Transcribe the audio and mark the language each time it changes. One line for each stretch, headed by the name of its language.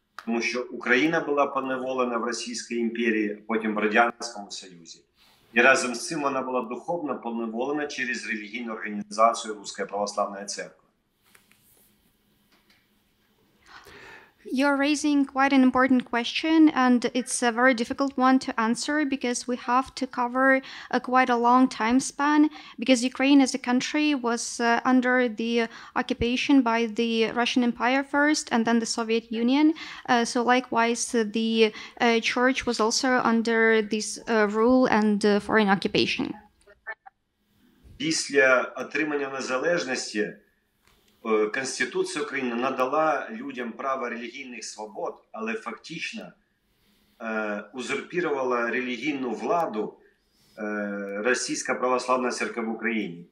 Ukrainian: Тому що Україна була поневолена в Російській імперії, потім в Радянському Союзі. І разом з цим вона була духовно поневолена через релігійну організацію Руська Православна Церква.
English: You're raising quite an important question, and it's a very difficult one to answer because we have to cover a quite a long time span, because Ukraine as a country was under the occupation by the Russian Empire first and then the Soviet Union. So likewise, the church was also under this rule and foreign occupation.
Ukrainian: Після отримання незалежності Конституція України надала людям право релігійних свобод, але фактично узурпірувала релігійну владу Російська Православна Церква в Україні.